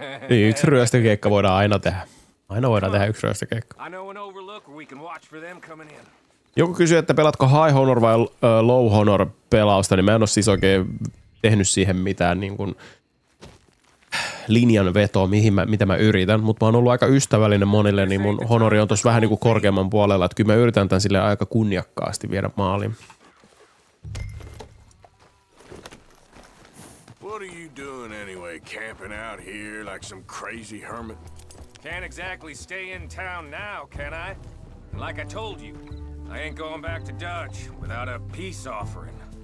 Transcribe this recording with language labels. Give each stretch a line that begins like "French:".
Finnish: Yksi ryöstökeikka voidaan aina tehdä. Aina voidaan tehdä yksi ryöstökeikka.
English: I know an overlook where we can watch for them coming in.
Finnish: Joku kysyy, että pelatko high honor vai low honor pelausta, niin mä en oo siis oikein tehnyt siihen mitään niin kuin linjanvetoa, mitä mä yritän, mutta mä oon ollut aika ystävällinen monille, niin mun honori on tossa vähän niin kuin korkeamman puolella, että kyllä mä yritän tän sille aika kunniakkaasti viedä maaliin.
English: What are you doing anyway, camping out here like some crazy hermit? Can't exactly stay in town now, can I? And like I told you, I ain't going back to Dutch without a peace offering.